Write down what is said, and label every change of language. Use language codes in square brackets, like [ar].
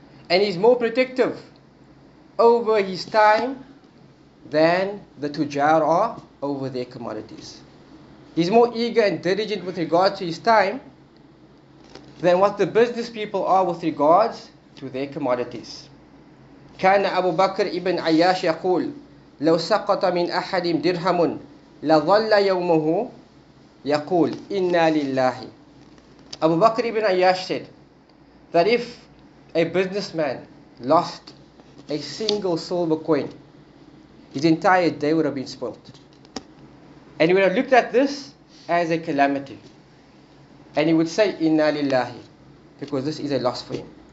[en] And he's more protective over his time than the tujar are over their commodities. He's more eager and diligent with regards to his time than what the business people are with regards to their commodities. [ar] Kana Abu Bakr ibn Ayyash yaqul, لو سقط من أحد درهم لظل يومه يقول إنا لله. [en] Abu Bakr ibn Ayyash said that if a businessman lost a single silver coin, his entire day would have been spoilt. And he would have looked at this as a calamity. And he would say, Inna lillahi, because this is a loss for him.